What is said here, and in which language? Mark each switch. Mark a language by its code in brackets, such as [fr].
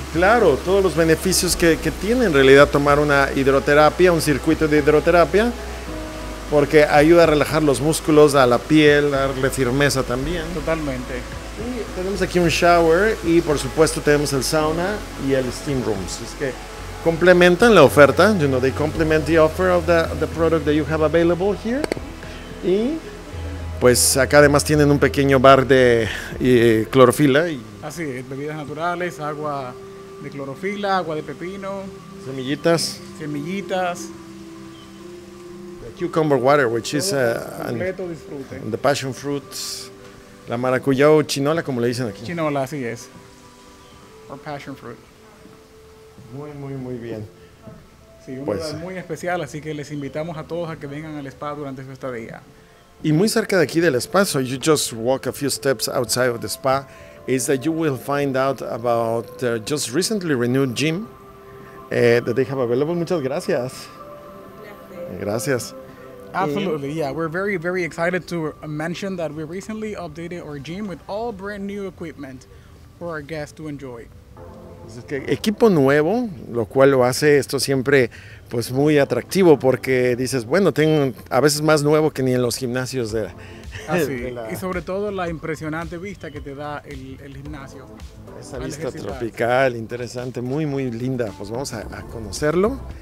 [es] Claro, todos los beneficios que tiene en realidad tomar una hidroterapia, un circuito de hidroterapia, porque ayuda a relajar los músculos, a la piel, darle firmeza también. Totalmente. Y tenemos aquí un shower y por supuesto tenemos el sauna y el steam rooms. Es que complementan la oferta, [en] you know, they complement the offer of the product that you have available here. [es] Y pues acá además tienen un pequeño bar de clorofila. Y así es, bebidas naturales, agua de clorofila, agua de pepino. Semillitas. [en] The cucumber water, which [es] todo [en] is [es] completo disfrute. [en] And the passion fruits. [es] La maracuyá o chinola, como le dicen aquí. Chinola, así es. [en] Or passion fruit. [es] Muy, muy, muy bien. Sí, un pues, lugar muy especial, así que les invitamos a todos a que vengan al spa durante su estadía. Y muy cerca de aquí del spa, [en] so you just walk a few steps outside of the spa, is that you will find out about the just recently renewed gym that they have available. [es] Muchas gracias. Gracias. [en] Absolutely, yeah. We're very, very excited to mention that we recently updated our gym with all brand new equipment for our guests to enjoy. [es] Equipo nuevo, lo cual lo hace esto siempre pues muy atractivo, porque dices, bueno, tengo a veces más nuevo que ni en los gimnasios de y sobre todo la impresionante vista que te da el gimnasio. Esa vista tropical, interesante, muy, muy linda. Pues vamos a conocerlo.